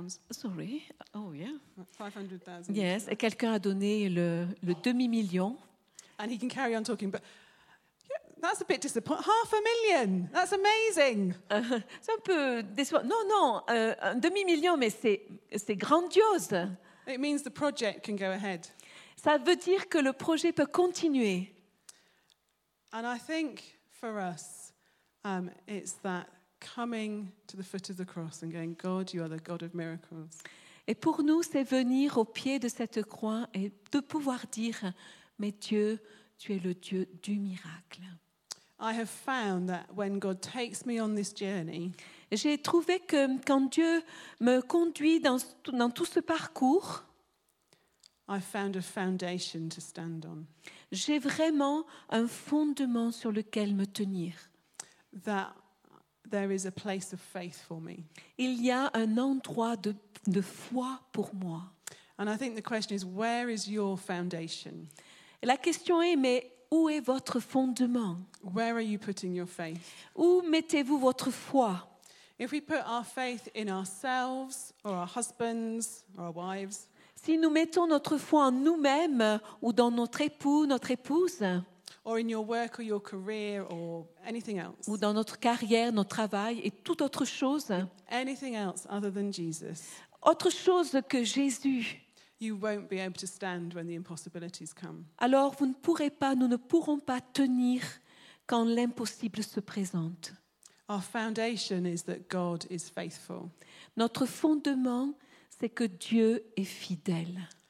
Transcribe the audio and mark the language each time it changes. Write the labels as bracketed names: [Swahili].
[English] Sorry. Oh yeah. 500,000. [French] Yes, et quelqu'un a donné le demi-million. [English] And he can carry on talking, but that's a bit disappointing. £500,000. That's amazing. [French] C'est un peu décevant. Non, un demi-million, mais c'est grandiose. [English] It means the project can go ahead. [French] Ça veut dire que le projet peut continuer. [English] And I think for us, it's that coming to the foot of the cross and going, God, you are the God of miracles. [French] Et pour nous, c'est venir au pied de cette croix et de pouvoir dire, mais Dieu, tu es le Dieu du miracle. [English] I have found that when God takes me on this journey, [French] j'ai trouvé que quand Dieu me conduit dans tout ce parcours, [English] I found a foundation to stand on. [French] J'ai vraiment un fondement sur lequel me tenir. [English] That there is a place of faith for me. [French] Il y a un endroit de foi pour moi. [English] And I think the question is, where is your foundation? [French] La question est, mais où est votre fondement? [English] Where are you putting your faith? [French] Où mettez-vous votre foi? [English] If we put our faith in ourselves or our husbands or our wives. [French] Si nous mettons notre foi en nous-mêmes ou dans notre époux, notre épouse. [English] Or in your work or your career or anything else. [French] Ou dans notre carrière, notre travail et toute autre chose. [English] Anything else other than Jesus. [French] Autre chose que Jésus. [English] You won't be able to stand when the impossibilities come. [French] Alors vous ne pourrez pas, nous ne pourrons pas tenir quand l'impossible se présente. [English] Our foundation is that God is faithful. [French] Notre fondement, c'est que Dieu est fidèle.